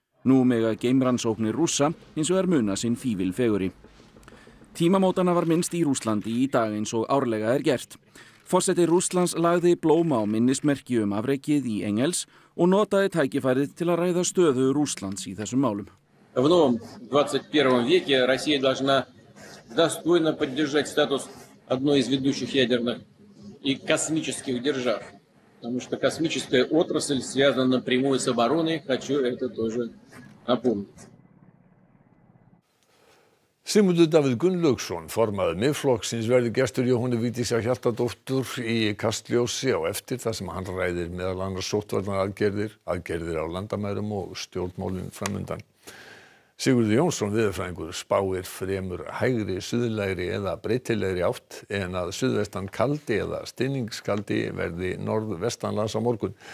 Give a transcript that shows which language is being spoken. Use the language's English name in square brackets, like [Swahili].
[Icelandic] Nú mega geimrannsóknir Rússa hins vegar muna sinn fífil fegurri. Tímamótanna var minnst í Rússlandi í dag eins og árlega gert. Forseti Rússlands lagði blóma á minnismerki afrekið í Engels og notaði tækifærið til að ræða stöðu Rússlands í þessum málum. [Russian] В новом 21 веке Россия должна достойно поддержать статус одной из ведущих ядерных и космических держав, потому что космическая отрасль связана напрямую с обороной, хочу это тоже напомнить. [Icelandic] Sigmundur Davíð Gunnlaugsson, formaður Miðflokksins, verður gestur Jóhönnu Vigdísar Hjaltadóttur í Kastljósi á eftir þar sem hann ræðir meðal annars sóttvarnaraðgerðir, aðgerðir á landamærum og stjórnmálin framundan. Sigurður Jónsson, veðurfræðingur, spáir fremur hægri, suðlægri eða breytilegri átt en að suðvestan kaldi eða stinningskaldi verði norðvestanlands á morgun.